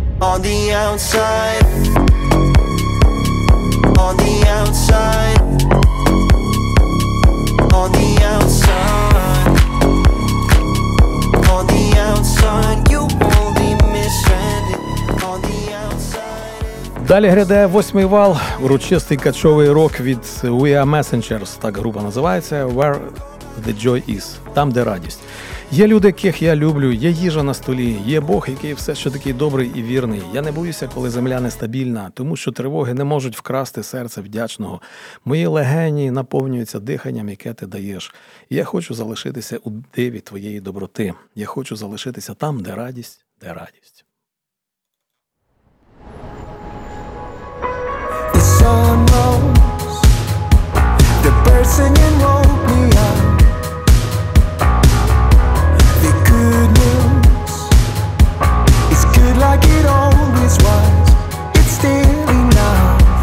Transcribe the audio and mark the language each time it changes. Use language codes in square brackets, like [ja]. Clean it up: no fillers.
[en] On the outside. On the outside. On the outside. On the outside. You won't leave me stranded. On the outside. [uk] Далі гряде восьмий вал. Урочистий качовий рок від We Are Messengers. Так група називається. [en] Where the joy is. [uk] Там, де радість. Є люди, яких я люблю, є їжа на столі, є Бог, який все ще такий добрий і вірний. Я не боюся, коли земля нестабільна, тому що тривоги не можуть вкрасти серце вдячного. Мої легені наповнюються диханням, яке ти даєш. Я хочу залишитися у диві твоєї доброти. Я хочу залишитися там, де радість, де радість. [en] The sun rose, the person you woke me up. Like it always was, it's still enough.